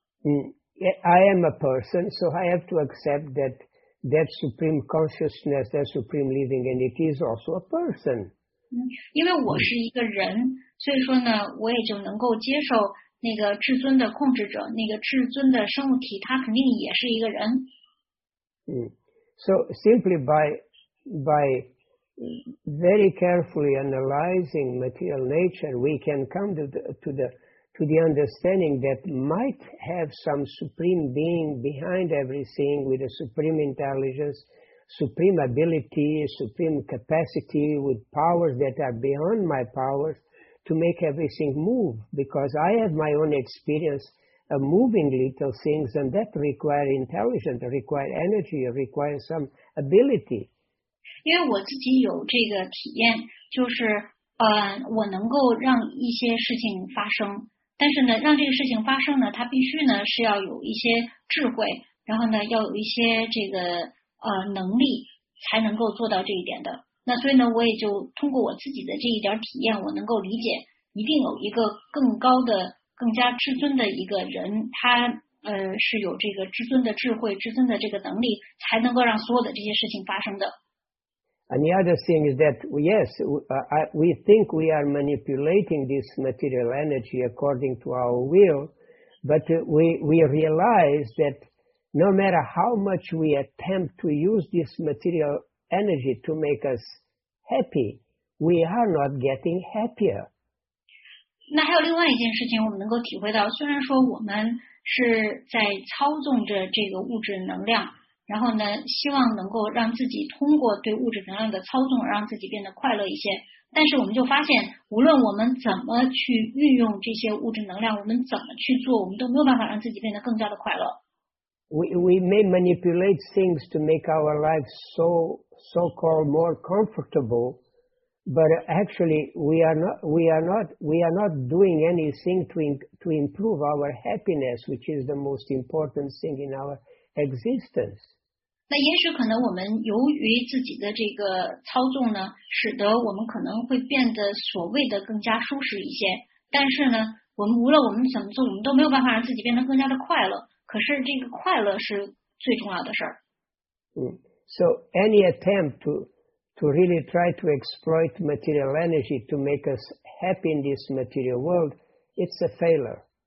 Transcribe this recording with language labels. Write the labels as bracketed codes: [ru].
[en] I am a person, so I have to accept that that supreme consciousness, that supreme living entity is also a person. [zh] 因为我是一个人，所以说呢，我也就能够接受那个至尊的控制者，那个至尊的生物体，他肯定也是一个人。 [en] So simply by very carefully analyzing material nature, we can come to the understanding that might have some supreme being behind everything with a supreme intelligence, supreme ability, supreme capacity with powers that are beyond my powers to make everything move. Because I have my own experience of moving little things, and that require intelligence, require energy, require some ability. [zh] 因为我自己有这个体验，就是我能够让一些事情发生，但是呢，让这个事情发生呢，它必须呢是要有一些智慧，然后呢要有一些这个能力才能够做到这一点的。那所以呢，我也就通过我自己的这一点体验，我能够理解，一定有一个更高的、更加至尊的一个人，他是有这个至尊的智慧、至尊的这个能力，才能够让所有的这些事情发生的。 [en] And the other thing is that, yes, we think we are manipulating this material energy according to our will, but we realize that no matter how much we attempt to use this material energy to make us happy, we are not getting happier. [zh] 那还有另外一件事情我们能够体会到，虽然说我们是在操纵着这个物质能量，然后呢，希望能够让自己通过对物质能量的操纵，让自己变得快乐一些。但是我们就发现，无论我们怎么去运用这些物质能量，我们怎么去做，我们都没有办法让自己变得更加的快乐。 [en] We may manipulate things to make our lives so-called more comfortable, but actually we are not doing anything to improve our happiness, which is the most important thing in our existence. [zh] 那也许可能我们由于自己的这个操纵呢，使得我们可能会变得所谓的更加舒适一些。但是呢，我们无论我们怎么做，我们都没有办法让自己变得更加的快乐。可是这个快乐是最重要的事儿。 [en] So any attempt to really try to exploit material energy to make us happy in this material world, it's a failure.